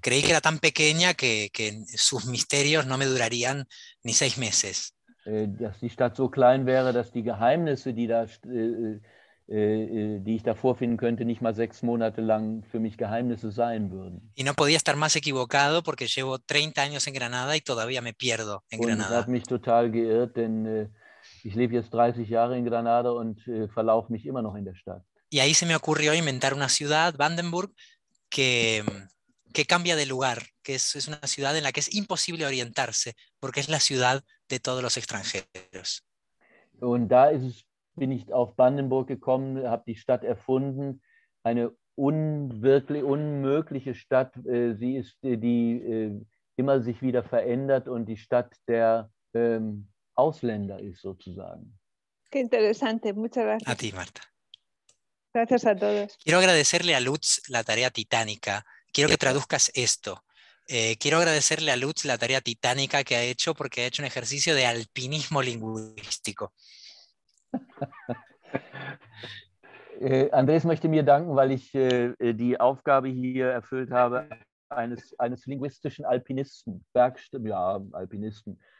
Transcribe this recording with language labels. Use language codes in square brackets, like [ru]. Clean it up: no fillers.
[es] Creí que era tan pequeña que sus misterios no me durarían ni seis meses. [de] Dass die Stadt so klein wäre, dass die Geheimnisse, die ich da vorfinden könnte, nicht mal sechs Monate lang für mich Geheimnisse sein würden. [es] Y no podía estar más equivocado porque llevo 30 años en Granada y todavía me pierdo en Granada. [de] Und hat mich total geirrt, denn ich lebe jetzt 30 Jahre in Granada und verlaufe mich immer noch in der Stadt. [es] Y ahí se me ocurrió inventar una ciudad, Brandenburg, que cambia de lugar, que es una ciudad en la que es imposible orientarse, porque es la ciudad de todos los extranjeros. [de] Und da ist es, bin ich auf Brandenburg gekommen, habe die Stadt erfunden, eine unwirklich unmögliche Stadt. Sie ist die immer sich wieder verändert und die Stadt der Ausländer ist sozusagen. [es] Qué interesante, muchas gracias. A ti, Marta. Gracias a todos. Quiero agradecerle a Lutz la tarea titánica. Quiero que traduzcas esto. Quiero agradecerle a Lutz la tarea titánica que ha hecho porque ha hecho un ejercicio de alpinismo lingüístico. [de] Andrés möchte mir danken, weil ich die Aufgabe hier erfüllt habe eines linguistischen Alpinisten, Bergsteiger, ja, Alpinisten,